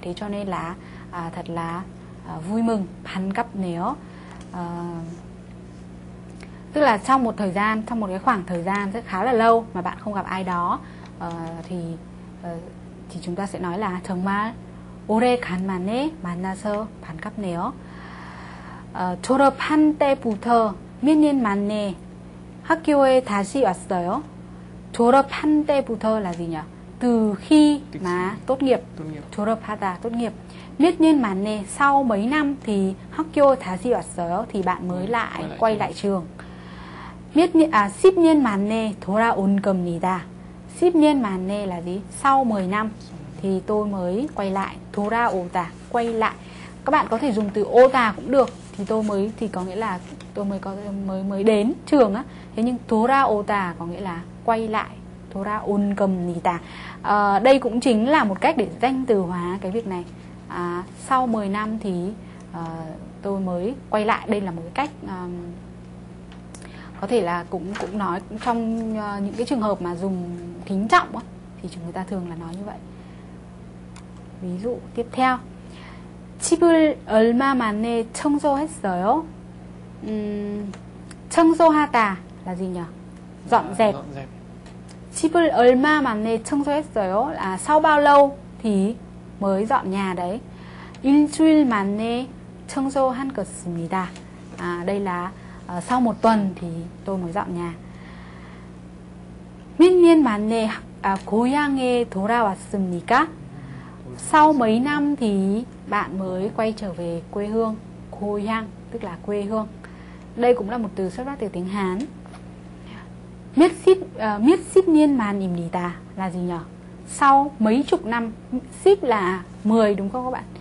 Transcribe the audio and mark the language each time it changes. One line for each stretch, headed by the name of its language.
Vietnamese: Thế cho nên là thật là vui mừng. Phán cấp nếu tức là trong một thời gian, trong một cái khoảng thời gian rất khá là lâu mà bạn không gặp ai đó thì chúng ta sẽ nói là
Korean: 정말 오래 간만에 만나서 반갑네요. 졸업한 때부터 몇 년 만에 학교에 다시 왔어요. 졸업한 때부터
Vietnamese: là gì nhỉ? Từ khi mà tốt nghiệp. 졸업하다, tốt nghiệp.
Korean: 몇 년 만에,
Vietnamese: sau mấy năm thì
Korean: 학교 다시 왔어요.
Vietnamese: Thì bạn mới lại quay lại trường.
Korean: 10 년 만에 돌아온 겁니다. 10 년 만에
Vietnamese: là gì? Sau 10 năm thì tôi mới quay lại. 돌아오다, quay lại. Các bạn có thể dùng từ 오다 cũng được. Thì tôi mới, thì có nghĩa là tôi mới, có, mới, mới đến trường á. Thế nhưng 돌아오다 có nghĩa là quay lại.
Korean: 돌아온겁니다.
Vietnamese: Đây cũng chính là một cách để danh từ hóa cái việc này. Sau 10 năm thì tôi mới quay lại. Đây là một cái cách có thể là cũng nói trong những cái trường hợp mà dùng kính trọng á, thì chúng ta thường là nói như vậy. Ví dụ tiếp theo.
Korean: 집을 얼마 만에 청소했어요?
Vietnamese: 청소하다 là gì nhỉ? Dọn dẹp.
Korean: 집을 얼마 만에 청소했어요?
Vietnamese: Sau bao lâu thì mới dọn nhà đấy.
Korean: 일주일 만에 청소한 것입니다.
Vietnamese: Đây là sau một tuần thì tôi mới dọn nhà.
Korean: 몇 년 만에 고향에 돌아왔습니까?
Vietnamese: Sau mấy năm thì bạn mới quay trở về quê hương. 고향 tức là quê hương. Đây cũng là một từ xuất phát từ tiếng Hán.
Korean: 몇십 년 만입니다
Vietnamese: là gì nhỉ? Sau mấy chục năm. 십 là 10 đúng không các bạn?